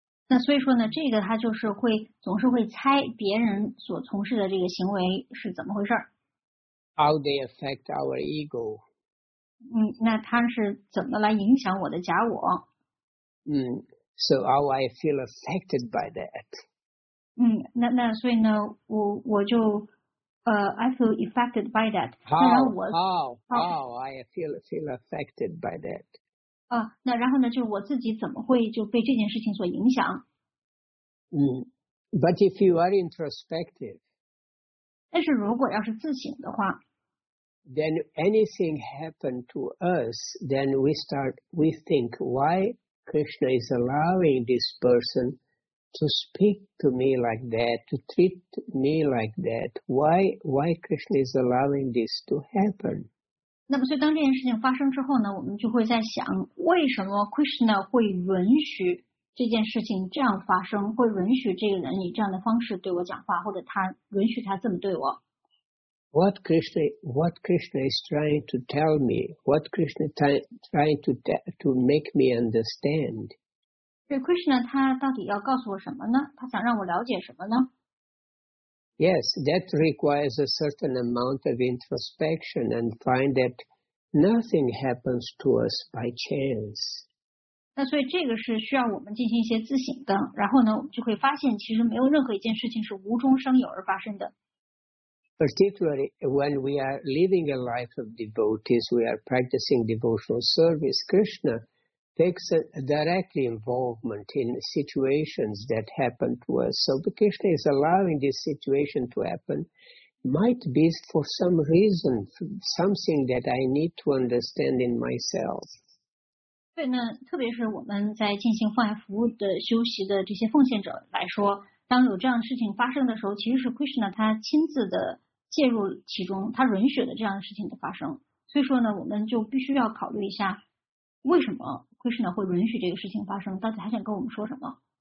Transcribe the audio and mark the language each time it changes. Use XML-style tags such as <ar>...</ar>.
<zh>那所以说呢，这个他就是会总是会猜别人所从事的这个行为是怎么回事。</zh> <en>How they affect our ego.</en> <zh>那他是怎么来影响我的假我。</zh> <en>So how I feel affected by that.</en> <zh>那所以呢我就</zh> <en>I feel affected by that. How I feel affected by that.</en> <zh>那然后呢就我自己怎么会就被这件事情所影响。</zh> <en>But if you are introspective.</en> <zh>但是如果要是自省的话。</zh> <en>Then anything happen to us, then we think why Krishna is allowing this person to speak to me like that, to treat me like that. Why Krishna is allowing this to happen?</en> <zh>那么所以当这件事情发生之后呢，我们就会在想，为什么 Krishna 会允许这件事情这样发生，会允许这个人以这样的方式对我讲话，或者他允许他这么对我。</zh> <en>What Krishna is trying to tell me, what Krishna is trying to make me understand.</en> <zh>Krishna, 他到底要告诉我什么呢？他想让我了解什么呢？</zh> <en>Yes, that requires a certain amount of introspection and find that nothing happens to us by chance.</en> <zh>那所以这个是需要我们进行一些自省的，然后呢，我们就会发现其实没有任何一件事情是无中生有而发生的。</zh> <en>Particularly when we are living a life of devotees, we are practicing devotional service, Krishna takes a direct involvement in situations that happen to us. So Krishna is allowing this situation to happen, might be for some reason, something that I need to understand in myself.</en> <zh>对呢，特别是我们在进行奉爱服务的修习的这些奉献者来说，当有这样的事情发生的时候，其实是 Krishna 他亲自的介入其中，他允许了这样的事情的发生，所以说呢，我们就必须要考虑一下，为什么 Krishna 会允许这个事情发生，到底他想跟我们说什么？</zh>